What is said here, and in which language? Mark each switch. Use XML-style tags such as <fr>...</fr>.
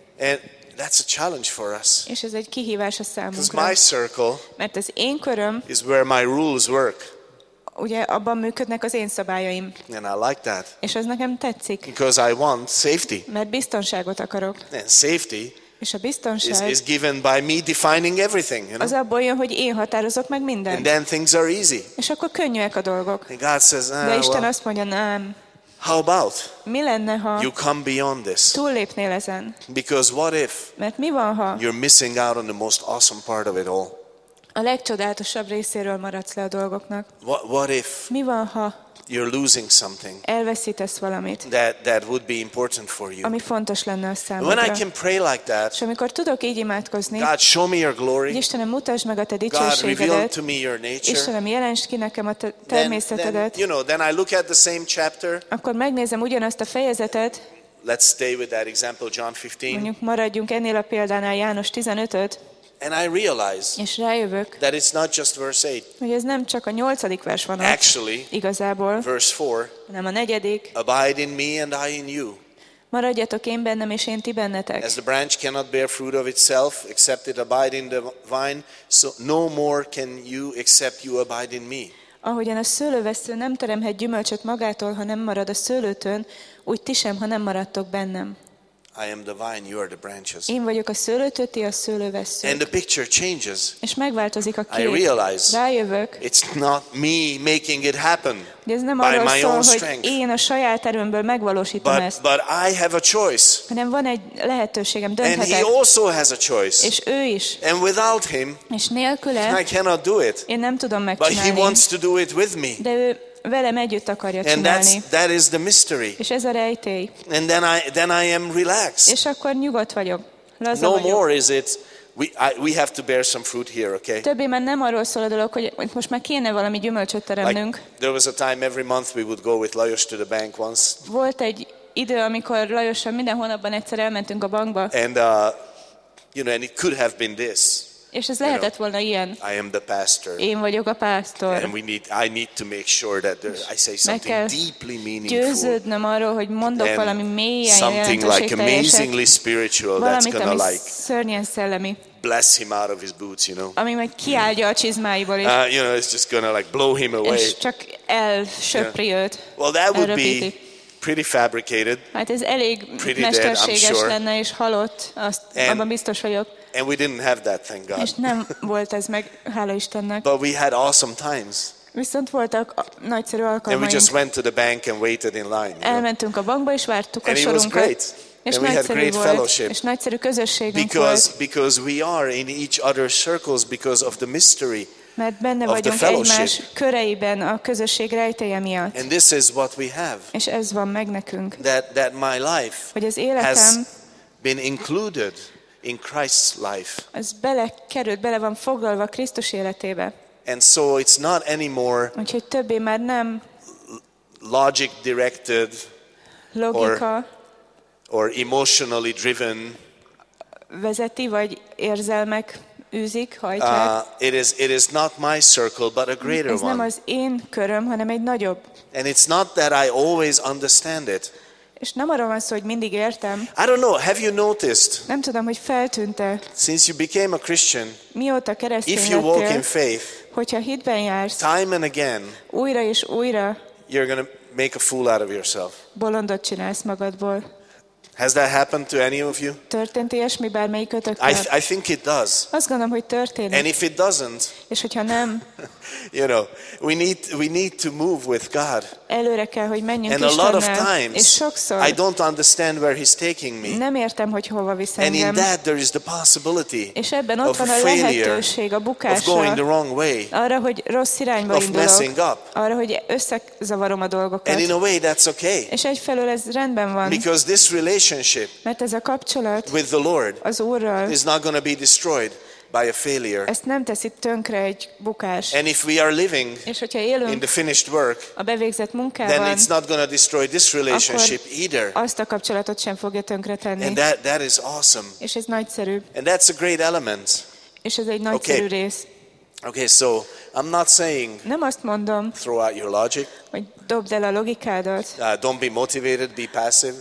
<en>And that's a challenge for us.</en> <hu>És ez egy kihívás a számunkra.</hu> <en>Because my circle.</en> <hu>Mert az én köröm.</hu> <en>Is where my rules work.</en> <hu>Ugye abban működnek az én szabályaim.</hu> <en>And I like that.</en> <hu>És ez nekem tetszik.</hu> <en>Because I want safety.</en> <hu>Mert biztonságot akarok.</hu> <en>And safety.</en> <hu>És a biztonság.</hu> <en>Is given by me defining everything, you know?</en> <hu>Az abból jön, hogy én határozok meg mindent.</hu> <en>And then things are easy.</en> <hu>És akkor könnyűek a dolgok.</hu> <en>And God says,</en> <hu>de Isten azt mondja, nem.</hu> <en>How about?</en> <hu>Mi lenne, ha</hu> <en>you come beyond this?</en> <hu>Túllépnél ezen.</hu> <en>Because what if?</en> <hu>Mert mi van, ha</hu> <en>you're missing out on the most awesome part of it all?</en> <hu>a legcsodálatosabb részéről maradsz le a dolgoknak.</hu> <en>What if?</en> <hu>Mi van ha?</hu> <en>You're losing something.</en> <hu>Elveszítesz valamit.</hu> <en>That would be important for you.</en> <hu>Ami fontos lenne a számodra.</hu> <en>When I can pray like that.</en> <hu>És amikor tudok így imádkozni.</hu> <en>God, show me your glory.</en> <hu>Istenem, mutasd meg a te dicsőségedet.</hu> <en>God, reveal to me your nature.</en> <hu>Istenem, jelensd ki nekem a te természetedet.</hu> <en>You know, then I look at the same chapter.</en> <hu>Akkor megnézem ugyanazt a fejezetet.</hu> <en>Let's stay with that example, John 15.</en> <hu>Mondjuk maradjunk ennél a példánál, János 15-öt.</hu> <en>And I realize</en> <hu>és rájövök,</hu> <en>that it's not just verse 8.</en> <hu>Hogy ez nem csak a 8. vers van</hu> <en>ott. Actually,</en> <hu>igazából,</hu> <en>verse 4.</en> <hu>Hanem a 4.</hu> <en>Abide in me and I in you.</en> <hu>Maradjatok én bennem és én ti bennetek.</hu> <en>As the branch cannot bear fruit of itself except it abide in the vine, so no more can you except you abide in me.</en> <hu>Ahogyan a szőlővesző nem teremhet gyümölcsöt magától, ha nem marad a szőlőtön, úgy ti sem, ha nem maradtok bennem.</hu> <en>I am the vine, you are the branches.</en> <hu>Én vagyok a szőlőtő, ti a szőlővesző.</hu> <en>And the picture changes.</en> <hu>És megváltozik a kép.</hu> <en>I realize.</en> <hu>Rájövök.</hu> <en>It's not me making it happen.</en> <hu>Ez nem arról szól, hogy én a saját erőmből megvalósítom ezt.</hu> <en>But I have a choice.</en> <hu>Hanem van egy lehetőségem, dönthetek.</hu> <en>And he also has a choice.</en> <hu>És ő is.</hu> <en>And without him,</en> <hu>és nélküle,</hu> <en>I cannot do it.</en> <hu>Én nem tudom megcsinálni.</hu> <en>But he wants to do it with me.</en> <hu>De ő velem együtt akarja</hu> <en>and</en> <hu>csinálni.</hu> <en>That is the mystery.</en> <hu>És ez a rejtély.</hu> <en>And then I am relaxed.</en> <hu>És akkor nyugodt vagyok. Laza</hu> <en>no</en> <hu>vagyok.</hu> <en>More is it we have to bear some fruit here, okay?</en> <hu>Többé már nem arról szól a dolog, hogy most már kéne valami gyümölcsöt teremnünk.</hu> <en>Like, there was a time every month we would go with Lajos to the bank once.</en> <hu>Volt egy idő, amikor Lajossal minden hónapban egyszer elmentünk a bankba.</hu> <en>And you know, and it could have been this.</en> <hu>És ez lehetett volna ilyen.</hu> <en>I am the pastor.</en> <hu>Én vagyok a pásztor.</hu> <en>And I need to make sure that there, I say something deeply meaningful.</en> <hu>Győződnöm arról, hogy mondok valami mélyen</hu> <en>something like amazingly spiritual</en> <hu>valamit,</hu> <en>that's gonna like</en> <hu>szörnyen szellemi.</hu> <en>Bless him out of his boots, you know.</en> <hu>Ami majd kiáldja a csizmáiból.</hu> <en>You know, it's just gonna like blow him away.</en> <hu>És csak elsöpri őt.</hu> <en>Well, that would be pretty fabricated.</en> <hu>Hát ez elég mesterséges lenne és halott, azt abban biztos vagyok.</hu> <en>And we didn't have that, thank God.</en> <hu>És nem volt ez meg, hála Istennek.</hu> <en>But we had awesome times.</en> <hu>Viszont voltak nagyszerű alkalmaink.</hu> <en>And we just went to the bank and waited in line.</en> <hu>Elmentünk a bankba és vártuk</hu> <en>and</en> <hu>a sorunkat.</hu> <en>And it was great. And we had great</en> <hu>volt,</hu> <en>fellowship.</en> <hu>És nagyszerű közösségünk volt.</hu> <en>Because we are in each other's circles because of the mystery.</en> <hu>Mert benne vagyunk egymás köreiben a közösség rejtélye miatt.</hu> <en>And this is what we have.</en> <hu>És ez van meg nekünk.</hu> <en>That my life</en> <hu>hogy az életem</hu> <en>been included in Christ's life.</en> <hu>Ez belekerült, bele van foglalva Krisztus életébe.</hu> <en>And so it's not anymore.</en> <hu>Úgyhogy többé már nem</hu> <en>logic directed</en> <hu>logika</hu> <en>or emotionally driven</en> <hu>vezeti vagy érzelmek űzik, hajtják.</hu> <en>It is not my circle but a greater one.</en> <hu>Ez nem az én köröm, hanem egy nagyobb.</hu> <en>And it's not that I always understand it.</en> <hu>És nem arról van szó, hogy mindig értem.</hu> <en>I don't know, have you noticed?</en> <hu>Nem tudom, hogy feltűnt-e.</hu> <en>Since you became a Christian.</en> <hu>Mióta keresztény</hu> <en>lettél. If you walk in faith.</en> <hu>Hogyha hitben jársz.</hu> <en>Time and again.</en> <hu>Újra és újra.</hu> <en>You're gonna make a fool out of yourself.</en> <hu>Bolondot csinálsz magadból.</hu> <en>Has that happened to any of you?</en> <hu>Történt ilyesmi bármelyikötöknek?</hu> <en>I think it does.</en> <hu>Azt gondolom, hogy történik.</hu> <en>And if it doesn't.</en> <hu>És hogyha nem.</hu> <en>You know, we need to move with God.</en> <hu>Előre kell, hogy menjünk</hu> <en>Istennel. And a lot of times.</en> <hu>És sokszor.</hu> <en>I don't understand where he's taking me.</en> <hu>Nem értem, hogy hova visz engem.</hu> <en>And in that there is the possibility.</en> <hu>És ebben ott van a lehetőség, a bukása.</hu> <en>Of going the wrong way.</en> <hu>Arra, hogy rossz irányba indulok.</hu> <en>Of messing up.</en> <hu>Arra, hogy összezavarom a dolgokat.</hu> <en>And in a way that's okay.</en> <hu>És egyfelől ez rendben van.</hu> <en>Because this relationship.</en> <hu>Mert ez a kapcsolat.</hu> <en>With the Lord.</en> <hu>Az Úrral.</hu> <en>Is not going to be destroyed by a failure.</en> <hu>Ezt nem teszi tönkre egy bukás.</hu> <en>And if we are living</en> <hu>és hogyha élünk</hu> <en>in the finished work,</en> <hu>a bevégzett munkában,</hu> <en>then it's not going to destroy this relationship either.</en> <hu>Azt a kapcsolatot sem fogja tönkretenni.</hu> <en>And that is awesome.</en> <hu>És ez nagyszerű.</hu> <en>And that's a great element.</en> <hu>És ez egy nagyszerű</hu> <en>okay.</en> <hu>rész.</hu> <en>Okay, so I'm not saying</en> <hu>nem azt mondom,</hu> <en>throw out your logic.</en> <hu>Hogy dobd el a logikádat.</hu> <en>Don't be motivated, be passive.</en>